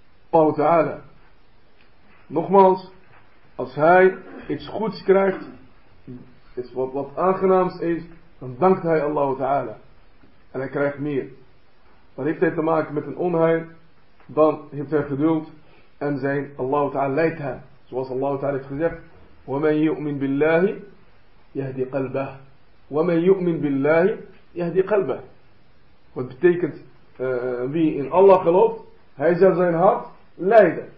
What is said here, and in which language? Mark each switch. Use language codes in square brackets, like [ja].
[nl] Allah Ta'ala. Nogmaals, als hij iets goeds krijgt, iets wat aangenaams is, dan dankt hij Allah Ta'ala. En hij krijgt meer. Maar heeft hij te maken met een onheil, dan heeft hij geduld en zijn Allah Ta'ala leidt hem. Zoals Allah Ta'ala heeft gezegd, [ar] وَمَنْ يُؤْمِنْ بِاللَّهِ يَهْدِي قَلْبَهُ وَمَنْ يُؤْمِنْ بِاللَّهِ يَهْدِي قَلْبَهُ. [nl] Wat betekent, wie in Allah gelooft, hij zal zijn hart leiden.